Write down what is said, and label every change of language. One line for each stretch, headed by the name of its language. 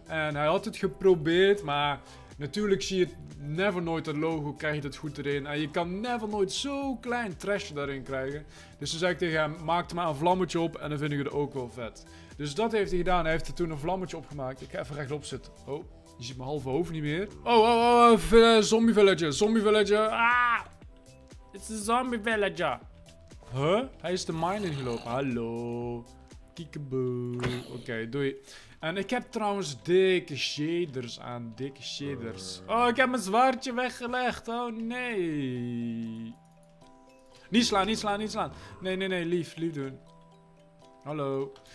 Dutch: En hij had het geprobeerd, maar natuurlijk zie je het never nooit het logo, krijg je het goed erin. En je kan never nooit zo klein Treasure daarin krijgen. Dus toen zei ik tegen hem, maak er maar een vlammetje op en dan vind ik het ook wel vet. Dus dat heeft hij gedaan. Hij heeft er toen een vlammetje op gemaakt. Ik ga even rechtop zitten. Oh, je ziet mijn halve hoofd niet meer. Oh, zombie villager, zombie villager.
English: Ah, it's a zombie villager. Huh?
Dutch: Hij is de mine ingelopen. Hallo. Kiekeboe. Oké, doei. En ik heb trouwens dikke shaders aan. Dikke shaders. Oh, ik heb mijn zwaardje weggelegd. Oh, nee. Niet slaan, niet slaan, niet slaan. Nee. Lief, lief doen. Hallo.